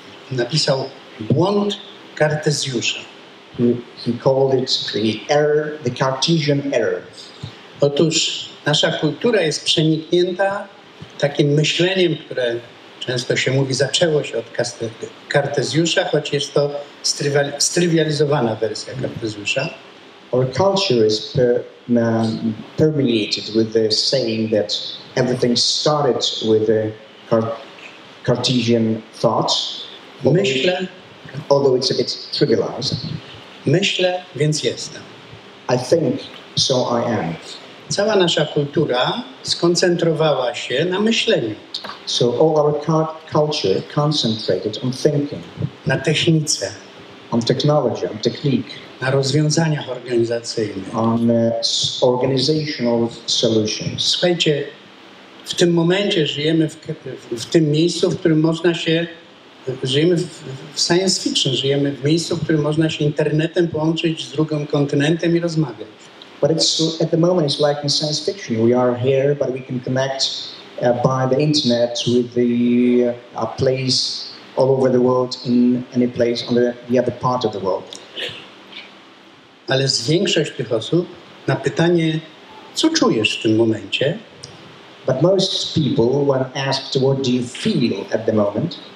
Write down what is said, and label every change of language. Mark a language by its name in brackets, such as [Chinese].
[Polish] Napisał Błąd Kartezjusza. [English] He called it the Cartesian error. [Polish] Otóż nasza kultura jest przeniknięta takim myśleniem, które często się mówi, zaczęło się od Kartezjusza, choć jest to strywializowana wersja Kartezjusza. [English] Our culture is permeated with the saying that everything started with the Cartesian thought. [Polish] Myślę, [English] although it's a bit trivialized. [Polish] Myślę, więc jestem. [English] I think, so I am. [Polish] Cała nasza kultura skoncentrowała się na myśleniu. [English] So all our culture concentrated on thinking. [Polish] Na technice. [English] On technology, on technique. [Polish] Na rozwiązaniach organizacyjnych. [English] On organizational solutions. [Polish] Słuchajcie, w tym momencie żyjemy w tym miejscu, w którym można się... Żyjemy w science fiction, żyjemy w miejscu, w którym można się internetem połączyć z drugim kontynentem i rozmawiać. [English] But it's at the moment it's like in science fiction. We are here, but we can connect by the internet with the place all over the world in any place on the other part of the world. [Polish] Ale z większość tych osób na pytanie, co czujesz w tym momencie? [English] But most people, when asked, what do you feel at the moment?